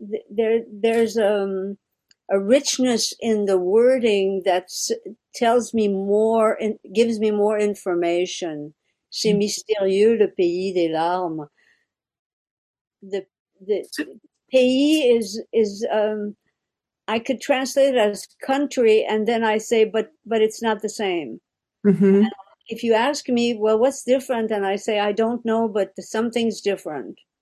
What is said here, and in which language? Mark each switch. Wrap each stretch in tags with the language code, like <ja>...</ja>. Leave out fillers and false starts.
<en>There's a richness in the wording that tells me more and gives me more information.</en> <fr>C'est mystérieux, le pays des larmes.</fr> <en>The pays is I could translate it as country, and then I say, but it's not the same. Mm-hmm. If you ask me, well, what's different? And I say, I don't know, but something's different.</en>